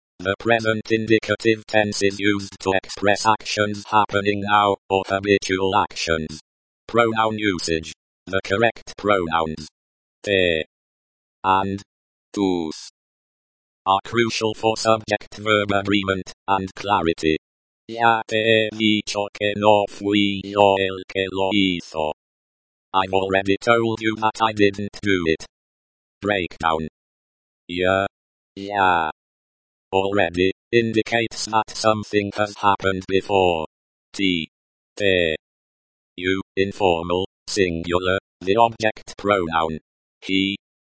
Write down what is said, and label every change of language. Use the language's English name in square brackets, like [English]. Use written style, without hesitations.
[English] The present indicative tense is used to express actions happening now, or habitual actions. Pronoun usage. The correct pronouns te and tus are crucial for subject-verb agreement and clarity. [Spanish] Ya te he dicho que no fui yo el que lo hizo. [English] I've already told you that I didn't do it. Breakdown. Ya. Already indicates that something has happened before. Te. You, informal, singular, the object pronoun. He.